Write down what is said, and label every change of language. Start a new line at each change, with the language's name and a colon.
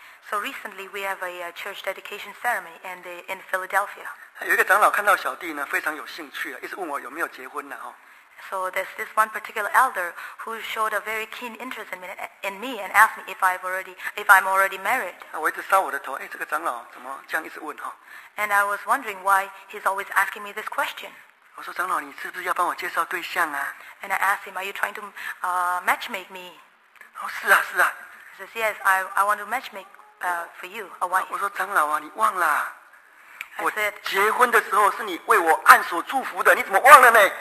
English: so recently we have a church dedication ceremony in Philadelphia.
Chinese: 有一个长老看到小弟呢, 非常有兴趣啊, 一直问我有没有结婚啊, 哦。
English: So there's this one particular elder who showed a very keen interest in me and asked me if I'm already married.
Chinese: 我一直烧我的头，哎，这个长老怎么这样一直问哈？
English: And I was wondering why he's always asking me this question.
Chinese: 我说长老，你是不是要帮我介绍对象啊？
English: And I asked him, are you trying to matchmake me?
Chinese: 哦，是啊，是啊。
English: He says, yes, I want to matchmake for you a wife.
Chinese: 我说长老啊，你忘了？
English: I said,
Chinese: 我结婚的时候是你为我按手祝福的，你怎么忘了呢？